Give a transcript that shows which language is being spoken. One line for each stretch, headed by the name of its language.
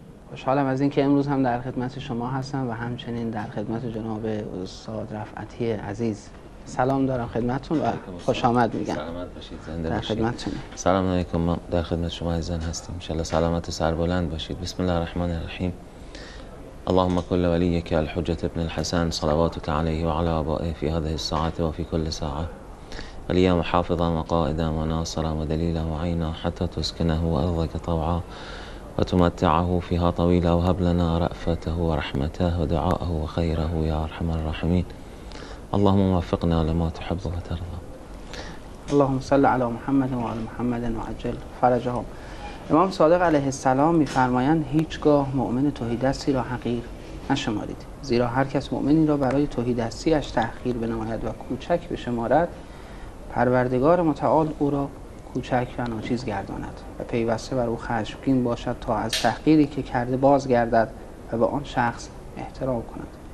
Persian: خوشحالم از این که امروز هم در خدمت شما هستم و همچنین در خدمت جناب استاد رفعتی عزیز. سلام دارم خدمتون و خوش آمد میگم. سلامت باشید، زنده باشید. سلام علیکم، در خدمت شما عزیزان هستم. انشاءالله سلامت و سربلند باشید.
Arabic: بسم الله الرحمن الرحیم. اللهم كل وليك الحجة ابن الحسن صلواتك عليه وعلى آبائه في هذه الساعة وفي كل ساعة وليا محافظا وقائدا وناصرا ودليلا وعينا حتى تسكنه وأرضك طوعا وتمتعه فيها طويلة وهب لنا رأفته ورحمته ودعاءه وخيره يا أرحم الراحمين. اللهم وفقنا لما تحب وترضى. اللهم صل على محمد وعلى محمد وعجل فرجهم.
Persian: امام صادق عليه السلام میفرمایند هیچگاه مؤمن توحیدستی را حقیر نشمارید، زیرا هر کس مؤمنی را برای توحیدستیش تأخیر بنماید و کوچک بشمارد، پروردگار متعال او را کوچک و ناچیز گرداند و پیوسته بر او خشمگین باشد تا از تحقیری که کرده بازگردد و به آن شخص احترام کند.